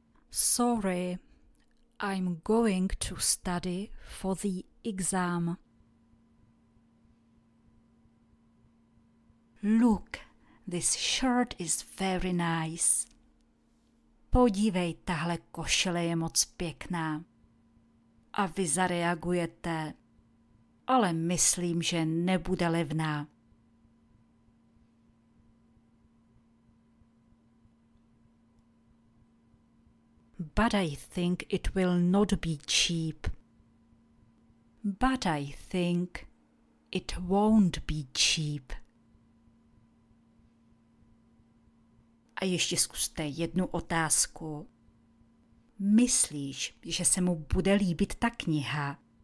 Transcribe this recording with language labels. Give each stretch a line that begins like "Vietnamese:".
English: Sorry, I'm going to study for the exam. Look, this shirt is very nice.
Czech: Podívej, tahle košile je moc pěkná. A vy zareagujete, ale myslím, že nebude levná.
English: But I think it will not be cheap. But I think it won't be cheap.
Czech: A ještě zkuste jednu otázku. Myslíš, že se mu bude líbit ta kniha?